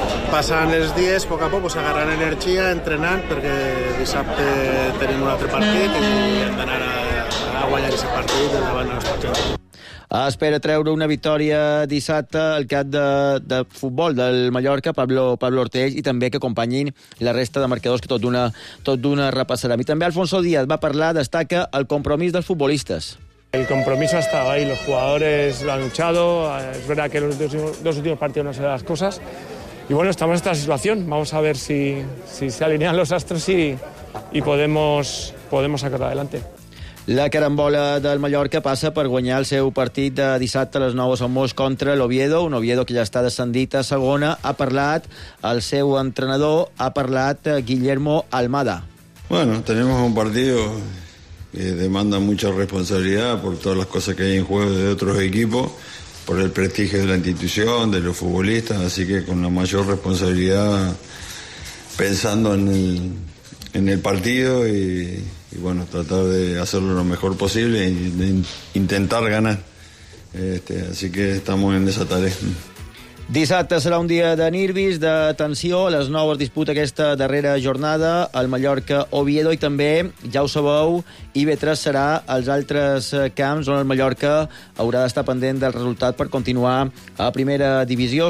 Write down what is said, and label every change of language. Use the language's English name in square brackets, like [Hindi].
[Catalan] Passant els dies, a poc a poc, pues, agarrant energia, entrenant, perquè dissabte tenim un altre partit i hem d'anar a guanyar aquest partit davant els partits. Espera treure una victòria dissabte al cap de futbol del Mallorca, Pablo Ortells, i també que acompanyin la resta de marcadors, que tot d'una repassarem. I també Alfonso Díaz va parlar, destaca el compromís dels futbolistes. [Spanish] El compromiso ha estado ahí, los jugadores lo han luchado, es verdad que los dos últimos partidos no han sido las cosas, y bueno, estamos en esta situación, vamos a ver si se alinean los astros y podemos sacar adelante. [Catalan] La carambola del Mallorca passa per guanyar el seu partit de dissabte a les 9 a Son Moix contra l'Oviedo, un Oviedo que ja està descendit a segona. Ha parlat el seu entrenador, ha parlat Guillermo Almada. [Spanish] Bueno, tenemos un partido que demanda mucha responsabilidad por todas las cosas que hay en juego de otros equipos, por el prestigio de la institución, de los futbolistas, así que con la mayor responsabilidad pensando en el partido y bueno, tratar de hacerlo lo mejor posible e intentar ganar. Así que estamos en esa tarea. [Catalan] Dissabte serà un dia de nervis, de tensió. A les 9 es disputa aquesta darrera jornada al Mallorca-Oviedo, i també, ja ho sabeu, IB3 serà als altres camps on el Mallorca haurà d'estar pendent del resultat per continuar a primera divisió.